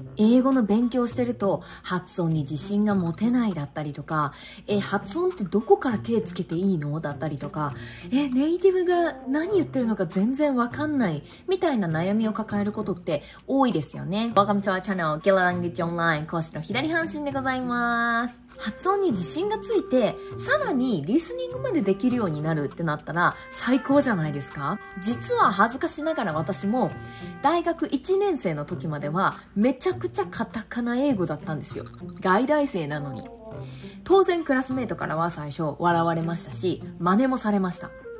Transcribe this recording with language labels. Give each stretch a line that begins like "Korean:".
Japanese: 英語の勉強してると発音に自信が持てないだったりとか、発音ってどこから手をつけていいのだったりとか、ネイティブが何言ってるのか全然わかんないみたいな悩みを抱えることって多いですよね。
English: Welcome to our channel Get a Language Online
Japanese: 講師の左半身でございます。発音に自信がついて、さらにリスニングまでできるようになるってなったら最高じゃないですか。実は恥ずかしながら私も大学1年生の時まではめちゃくちゃカタカナ英語だったんですよ。外大生なのに。当然クラスメートからは最初笑われましたし、真似もされました。